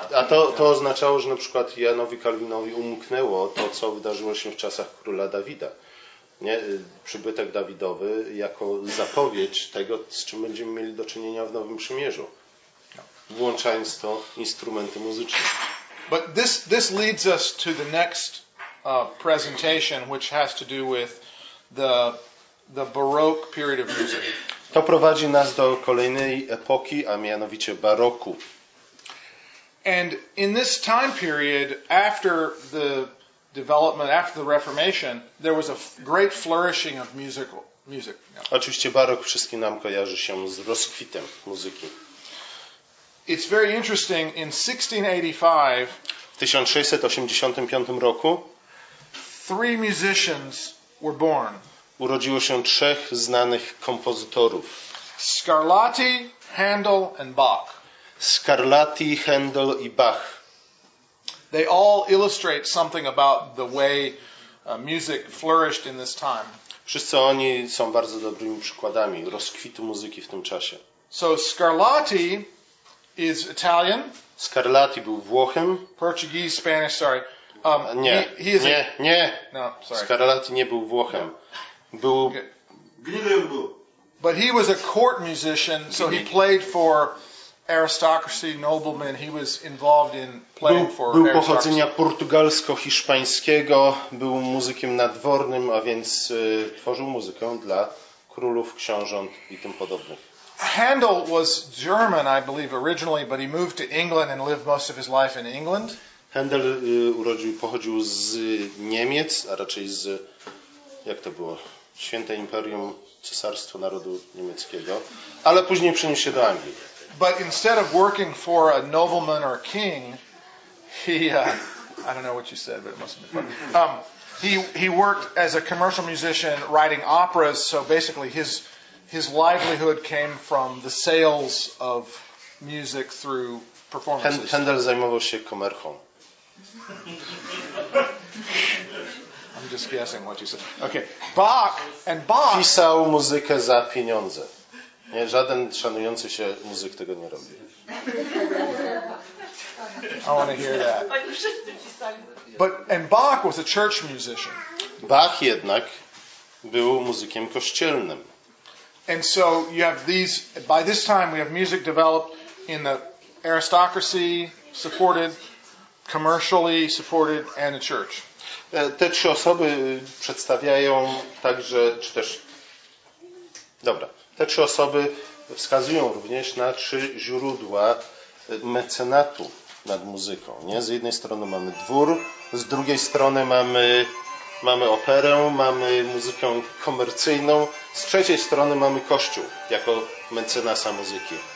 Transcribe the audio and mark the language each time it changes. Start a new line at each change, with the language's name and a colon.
Polish: a to oznaczało, że na przykład Janowi Kalwinowi umknęło to, co wydarzyło się w czasach króla Dawida. Nie? Przybytek Dawidowy jako zapowiedź tego, z czym będziemy mieli do czynienia w nowym przymierzu. Włączając to instrumenty muzyczne.
English: But this leads us to the next presentation, which has to do with the Baroque period of music.
Polish: To prowadzi nas do kolejnej epoki, a mianowicie baroku.
English: And in this time period, after the development, after the Reformation, there was a great flourishing of music. Yeah.
Polish: Oczywiście barok wszystkim nam kojarzy się z rozkwitem muzyki.
English: It's very interesting, in 1685
Polish: roku
English: three musicians were born.
Polish: Urodziło się trzech znanych kompozytorów.
English: Scarlatti, Handel and Bach.
Polish: Scarlatti, Handel i Bach.
English: They all illustrate something about the way music flourished in this time.
Polish: Wszyscy oni są bardzo dobrymi przykładami rozkwitu muzyki w tym czasie.
English: So Scarlatti is Italian.
Polish: Scarlatti był Włochem.
English: Portuguese, Spanish, sorry.
Polish: Nie.
English: He is
Polish: nie, a... nie.
English: No, sorry.
Polish: Scarlatti nie był Włochem. No. Był... Gnilym był.
English: But he was a court musician, so he played for aristocracy, noblemen. He was involved in playing
Polish: był,
English: for aristocracy.
Polish: Był pochodzenia portugalsko-hiszpańskiego, był muzykiem nadwornym, a więc tworzył muzykę dla królów, książąt i tym podobnych.
English: Handel was German, I believe, originally, but he moved to England and lived most of his life in England.
Polish: Handel pochodził z Niemiec, a raczej z, jak to było, Święte Imperium Cesarstwo Narodu Niemieckiego, ale później przeniósł się do Anglii.
English: But instead of working for a nobleman or a king, I don't know what you said, but it must have been fun. He worked as a commercial musician writing operas, so basically his livelihood came from the sales of music through performances.
Polish: Handel zajmował się komerchą.
English: I'm just guessing what you said. Okay. Bach and Bach.
Polish: Pisał muzykę za pieniądze. Nie, żaden szanujący się muzyk tego nie robi.
English: I want to hear that. But and Bach was a church musician. Bach jednak był muzykiem kościelnym. And so you have these. By this time, we have music developed in the aristocracy, supported commercially, supported, and the church.
Polish: Te trzy osoby przedstawiają także, czy też. Dobra. Te trzy osoby wskazują również na trzy źródła mecenatu nad muzyką. Nie? Z jednej strony mamy dwór, z drugiej strony mamy operę, mamy muzykę komercyjną, z trzeciej strony mamy kościół jako mecenasa muzyki.